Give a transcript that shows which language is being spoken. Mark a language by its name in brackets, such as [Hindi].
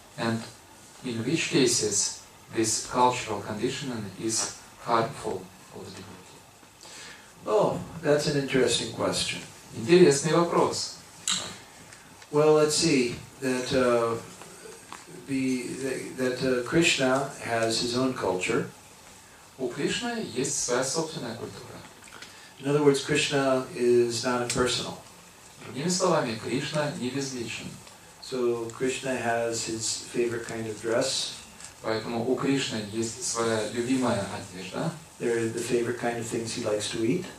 [English] And in which cases this cultural conditioning is harmful for the devotee? Oh, that's an interesting question. [Russian] Интересный вопрос. [English] Well, let's see that Krishna has his own culture. [Russian] У Кришны есть своя собственная культура. [English] In other words, Krishna is not impersonal. [Russian] Другими словами, Кришна не безличен. [English] So Krishna has his favorite kind of dress. [Russian] Поэтому у Кришны есть своя любимая одежда. [English] There are the favorite kind of things he likes to eat.